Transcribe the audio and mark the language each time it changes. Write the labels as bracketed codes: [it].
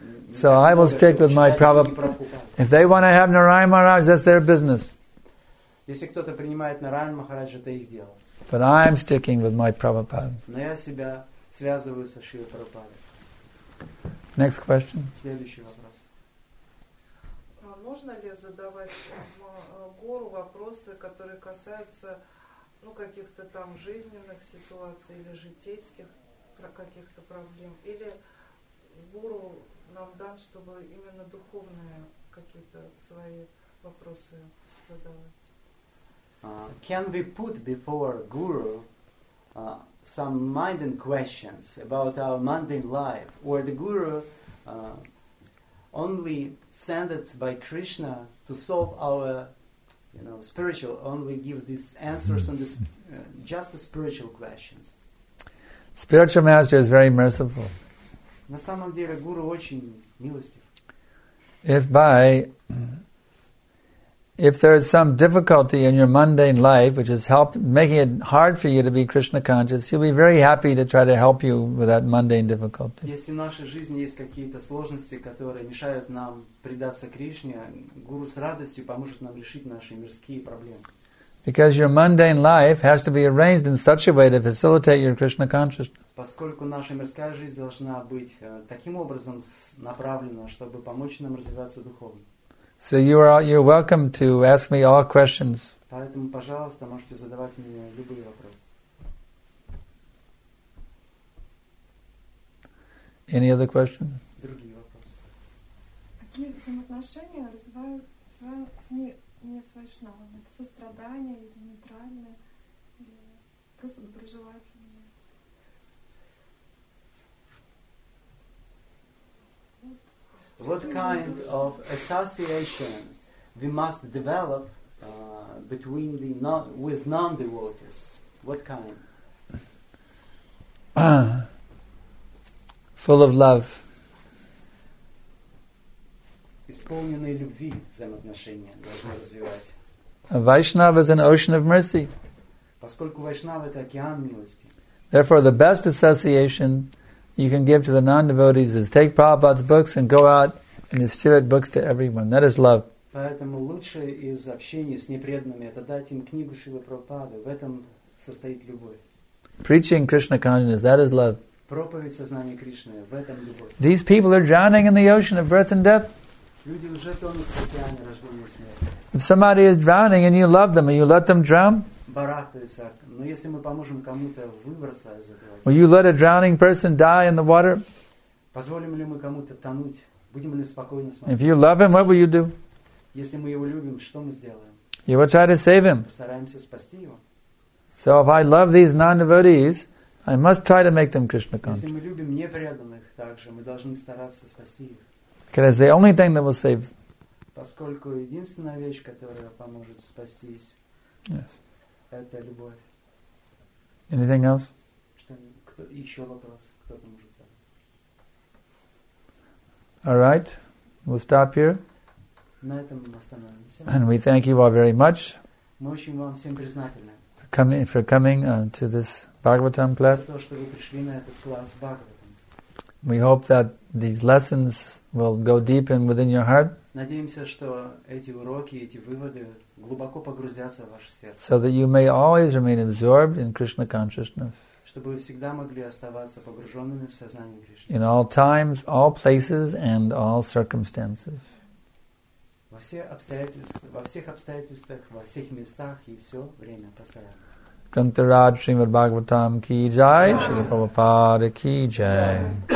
[en] So I will stick with my Prabhupada. If they want to have Narayana Maharaj, that's their business. [ru] Если кто-то принимает Нараян Махарадж, это их дело. [en] But I'm sticking with my Prabhupada. [ru] Но я себя связываю со Шрилой Прабхупадой. [en] Next question. [ru] Следующий вопрос. Можно ли задавать гуру вопросы, которые касаются каких-то там жизненных ситуаций или житейских каких-то проблем? Или гуру нам дан, чтобы именно духовные какие-то свои вопросы задавать? [en] Can we put before Guru some mundane questions about our mundane life, or the Guru only sent it by Krishna to solve our, spiritual? Only give these answers on this just the spiritual questions. Spiritual master is very merciful. [ru] На самом деле Guru очень милостив. [en] If there is some difficulty in your mundane life, which is making it hard for you to be Krishna conscious, he'll be very happy to try to help you with that mundane difficulty. [ru] Если в нашей жизни есть какие-то сложности, которые мешают нам предаться Кришне, Гуру с радостью поможет нам решить наши мирские проблемы. [en] Because your mundane life has to be arranged in such a way to facilitate your Krishna consciousness. [ru] Поскольку наша мирская жизнь должна быть таким образом направлена, чтобы помочь нам развиваться духовно. [en] So you're welcome to ask me all questions. [ru] Поэтому, пожалуйста, можете задавать мне любые вопросы. [en] Any other questions? [ru] Другие вопросы. Какие взаимоотношения развивают с не с вайшнавами? Это сострадание или нейтральное? Или просто доброжелательное? [en] What kind of association we must develop between the with non-devotees? What kind? Full of love. [ru] Исполненные любви взаимоотношения должны развивать. [en] Vaishnava is an ocean of mercy. [ru] Поскольку Вайшнава это океан милости. [en] Therefore, the best association you can give to the non-devotees is take Prabhupada's books and go out and distribute books to everyone. That is love. [ru] Поэтому лучшее из общения с непреданными это дать им книгу Шрилы Прабхупады. В этом состоит любовь. [en] Preaching Krishna consciousness, that is love. [ru] Проповедь сознания Кришны, в этом любовь. [en] These people are drowning in the ocean of birth and death. [ru] Люди уже тонут в океане рождения и смерти. If somebody is drowning and you love them, and you let them drown? Барахтаются. Но если мы поможем кому-то выбраться из этого. [en] Will you let a drowning person die in the water? [ru] Позволим ли мы кому-то тонуть? Будем ли спокойно смотреть? [en] If you love him, what will you do? [ru] Если мы его любим, что мы сделаем? [en] You will try to save him. [ru] Постараемся спасти его. [en] So if I love these non-devotees, I must try to make them Krishna conscious. [ru] Если мы любим непреданных также, мы должны стараться спасти их. [en] Because the only thing that will save them. [ru] Поскольку единственная вещь, которая поможет спастись, [en] yes. [ru] Это любовь. [en] Anything else? [ru] Еще вопрос, кто-то может. [en] All right, we'll stop here. [ru] На этом мы остановимся. [en] And we thank you all very much. [ru] Мы очень вам всем признательны. [en] For coming to this Bhagavatam class. [ru] За то, что вы пришли на этот класс Бхагаватам. [en] We hope that these lessons will go deep in within your heart. [ru] Надеемся, что эти уроки, эти выводы глубоко погрузятся в ваше сердце. [en] So that you may always remain absorbed in Krishna consciousness. [ru] Чтобы вы всегда могли оставаться погруженными в сознание Кришны. [en] In all times, all places, and all circumstances. [ru] Во всех обстоятельствах, во всех местах и все время постоянно. Грантарад Шримад Бхагаватам Ки Джай, Шрила Прабхупада Ки Джай.